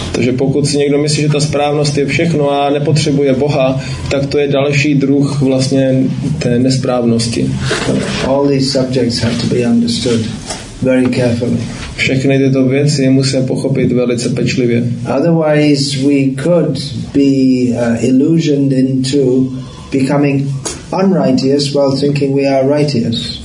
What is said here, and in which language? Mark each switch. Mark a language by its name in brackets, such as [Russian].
[Czech] Takže pokud si někdo myslí, že ta správnost je všechno a nepotřebuje Boha, tak to je další druh vlastně té nesprávnosti. [English] All these subjects have to be understood very carefully. [Czech] Všechny tyto věci musíme pochopit velice pečlivě. [English] Otherwise we could be illusioned into becoming unrighteous while thinking we are righteous.